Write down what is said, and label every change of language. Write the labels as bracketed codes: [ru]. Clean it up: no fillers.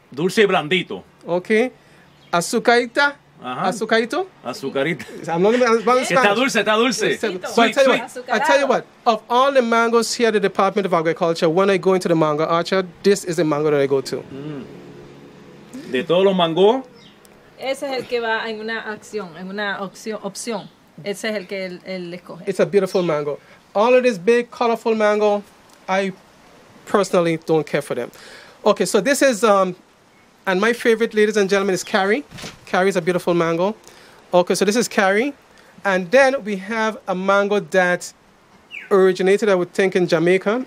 [es] Dulce y blandito. Okay. Azucarita. Uh-huh. Azucarito. Azucarita. [en] I'm not going to [es] Spanish. Está dulce. [en] I tell you what. Of all the mangoes here at the Department of Agriculture, when I go into the mango orchard, this is the mango that I go to. Mm. [es] De todos los mangos. Ese es el que va en una acción, en una opción. Ese es el que él escoge. [en] It's a beautiful mango. All of this big, colorful mango, I personally don't care for them. Okay, so this is, and my favorite, ladies and gentlemen, is Carrie. Carrie is a beautiful mango. Okay, so this is Carrie. And then we have a mango that originated, I would think, in Jamaica.